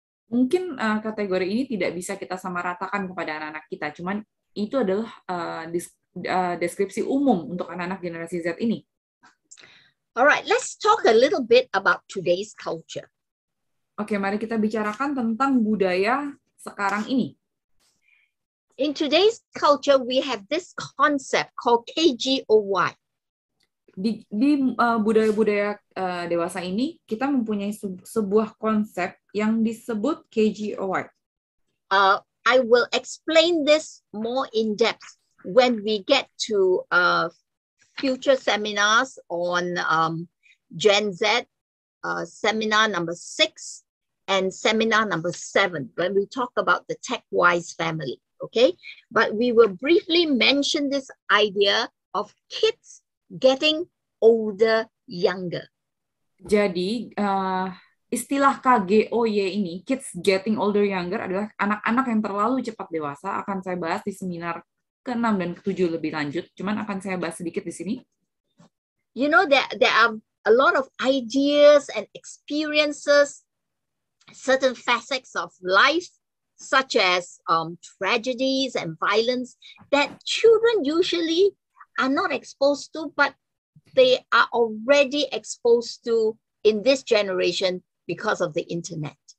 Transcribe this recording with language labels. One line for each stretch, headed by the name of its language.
Indonesian: Mungkin kategori ini tidak bisa kita samaratakan kepada anak-anak kita, cuman itu adalah deskripsi umum untuk anak-anak generasi Z ini.
English: All right, let's talk a little bit about today's culture.
Indonesian: Oke, mari kita bicarakan tentang budaya sekarang ini.
English: In today's culture, we have this concept called KGOY.
Indonesian: Di budaya-budaya dewasa ini, kita mempunyai sebuah konsep yang disebut KGOY.
English: I will explain this more in depth when we get to future seminars on Gen Z, seminar number 6 and seminar number 7, when we talk about the TechWise family. Okay, but we will briefly mention this idea of kids getting older, younger.
Indonesian: Jadi, istilah KGOY ini,
English: kids getting older, younger,
Indonesian: adalah anak-anak yang terlalu cepat dewasa, akan saya bahas di seminar ke-6 dan ke-7 lebih lanjut. Cuman akan saya bahas sedikit di sini.
English: You know, there are a lot of ideas and experiences, certain facets of life, such as tragedies and violence, that children usually are not exposed to, but they are already exposed to in this generation because of the internet.